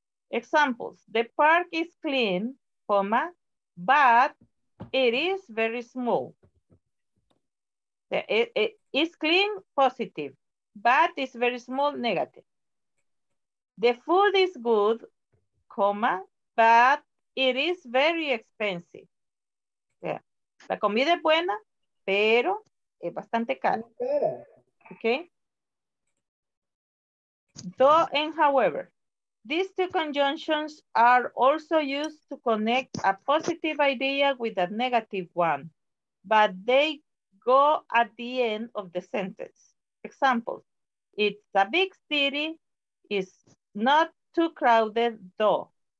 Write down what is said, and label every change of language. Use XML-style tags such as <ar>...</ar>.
<en>Examples, the park is clean, comma, but it is very small. It's clean, positive, but it's very small, negative. The food is good, comma, but it is very expensive.</en> <es>La comida es buena, pero es bastante cara.</es> <en>Okay. Though and however, these two conjunctions are also used to connect a positive idea with a negative one, but they go at the end of the sentence. Example, it's a big city, it's not too crowded though.</en>